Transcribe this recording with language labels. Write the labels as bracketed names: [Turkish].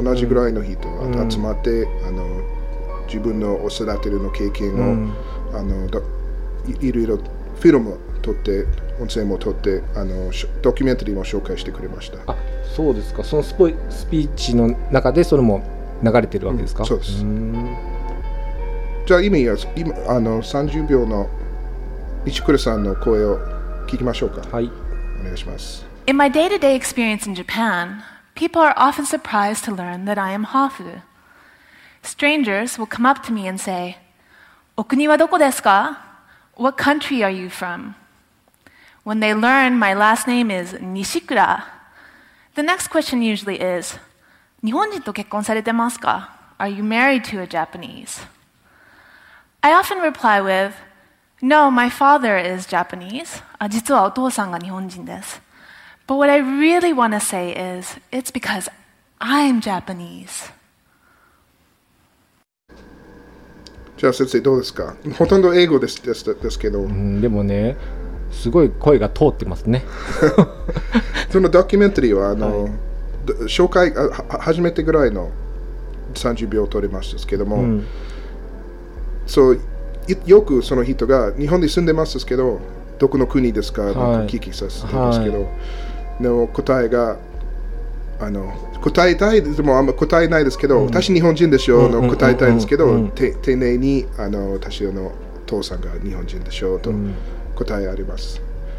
[Japanese] 同じぐらいの人が集まって、うん、あの自分のお育ての経験を、うん、あのいろいろフィルムを撮って、音声も撮って、あのドキュメンタリーも紹介してくれました。あ、そうですか。その スピーチの中でそれも流れてるわけですか、うん、そうです。じゃあ今あの30秒の西倉さんの声を聞きましょうか。はい、お願いします。 [English] In my day-to-day experience in Japan, people are often surprised to learn that I am Hafu. Strangers will come up to me and say, [Japanese] お国はどこですか? [English] What country are you from? When they learn my last name is Nishikura, the next question usually is, [Japanese] 日本人と結婚されてますか? [English] Are you married to a Japanese? I often reply with, No, my father is Japanese. [Japanese] 実はお父さんが日本人です。 [English] But what I really want to say is, it's because I'm Japanese. [Japanese] じゃあ先生どうですか?ほとんど英語ですけど。でもね、すごい声が通ってますね。そのドキュメンタリーは、紹介初めてぐらいの30秒を撮りましたけども、そう、よくその人が日本で住んでますけど、どこの国ですか、なんか聞きさせてますけど、でも答えが、答えたい、でもあんま答えないですけど、私日本人でしょの答えたいんですけど、丁寧に私の父さんが日本人でしょと答えあります。